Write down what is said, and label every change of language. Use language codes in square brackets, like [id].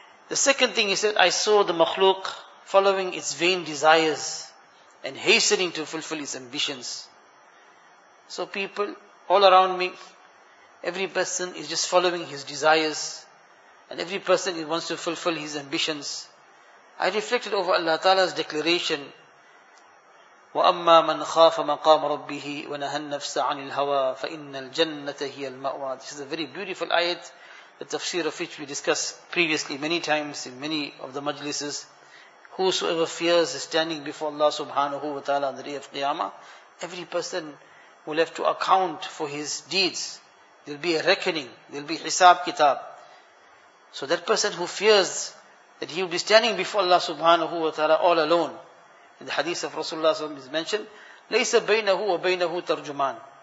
[en] The second thing he said, I saw the makhluk following its vain desires and hastening to fulfill its ambitions. So people all around me, every person is just following his desires, and every person wants to fulfill his ambitions. I reflected over Allah Ta'ala's declaration, [ar] وَأَمَّا مَنْ خَافَ مَقَامَ رَبِّهِ وَنَهَى النَّفْسَ عَنِ الْهَوَى فَإِنَّ الْجَنَّةَ هِيَ الْمَأْوَى. [en] This is a very beautiful ayat, the tafsir of which we discussed previously many times in many of the majlises. Whosoever fears standing before Allah Subhanahu wa Ta'ala on the day of Qiyamah, every person will have to account for his deeds. There'll be a reckoning, there'll be hisab kitab. So that person who fears that he will be standing before Allah Subhanahu wa Ta'ala all alone, in the hadith of Rasulullah SAW is mentioned, [ar] لَيْسَ بَيْنَهُ وَبَيْنَهُ tarjuman.